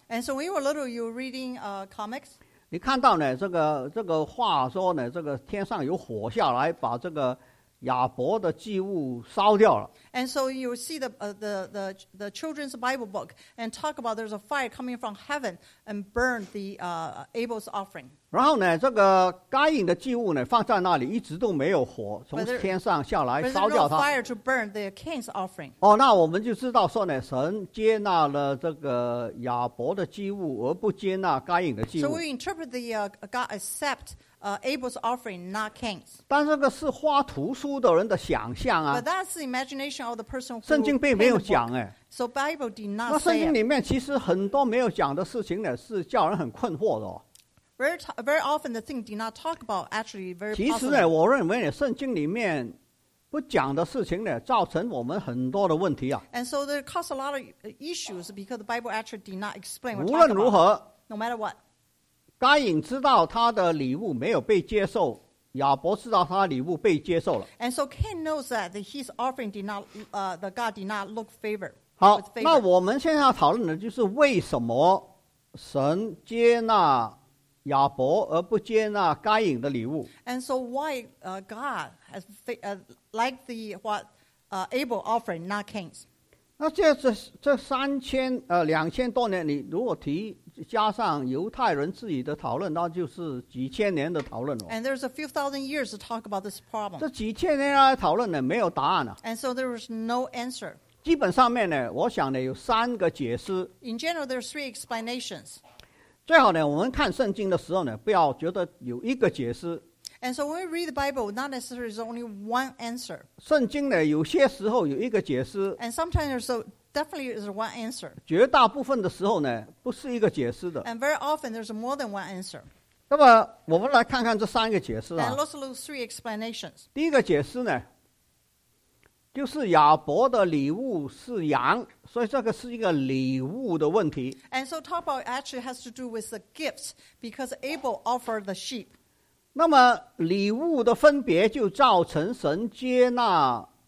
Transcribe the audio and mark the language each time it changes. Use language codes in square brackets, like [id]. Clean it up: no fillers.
[en] And so when you were little, you were reading comics. [zh] 你看到呢这个话说呢这个天上有火下来把这个亚伯的祭物烧掉了。 [en] And so you see the children's Bible book and talk about there's a fire coming from heaven and burn the Abel's offering. [zh] 然后呢，这个该隐的祭物呢放在那里，一直都没有火从天上下来烧掉它。 [en] But there's no fire to burn the Cain's offering. [zh] 哦，那我们就知道说呢，神接纳了这个亚伯的祭物，而不接纳该隐的祭物。 [en] So we interpret the God accept. Abel's offering, not Cain's. [zh] 但这个是画图书的人的想象啊。 [en] But that's the imagination of the person who. [zh] 圣经并没有讲哎。 [en] So Bible did not. [zh] 那圣经里面其实很多没有讲的事情呢，是叫人很困惑的哦。 [en] Very often the thing did not talk about actually very positive. [zh] 其实呢，我认为呢，圣经里面不讲的事情呢，造成我们很多的问题啊。 [en] And so there caused a lot of issues because the Bible actually did not explain. [zh] 无论如何 [en] ，No matter what. [zh] 该隐知道他的礼物没有被接受，亚伯知道他的礼物被接受了。 [en] And so Cain knows that his offering did not, the God did not look favor. [zh] 好，那我们现在要讨论的就是为什么神接纳亚伯而不接纳该隐的礼物。 [en] And so why, God has like the what, Abel offering, not Cain's. [zh] 那这三千两千多年，你如果提。加上犹太人自己的讨论，那就是几千年的讨论了。 [en] And there's a few thousand years to talk about this problem. [zh] 这几千年来讨论呢，没有答案啊。 [en] And so there was no answer. [zh] 基本上面呢，我想呢有三个解释。 [en] In general, there are three explanations. [zh] 最好呢，我们看圣经的时候呢，不要觉得有一个解释。 [en] And so when we read the Bible, not necessarily there's only one answer. [zh] 圣经呢，有些时候有一个解释。 [en] And sometimes there's a Definitely is one answer. [zh] 绝大部分的时候呢，不是一个解释的。 [en] And very often there's more than one answer. [zh] 那么我们来看看这三个解释啊。 [en] And let's look three explanations. [zh] 第一个解释呢，就是亚伯的礼物是羊，所以这个是一个礼物的问题。 [en] And so talk about actually has to do with the gifts because Abel offered the sheep. [zh] 那么礼物的分别就造成神接纳。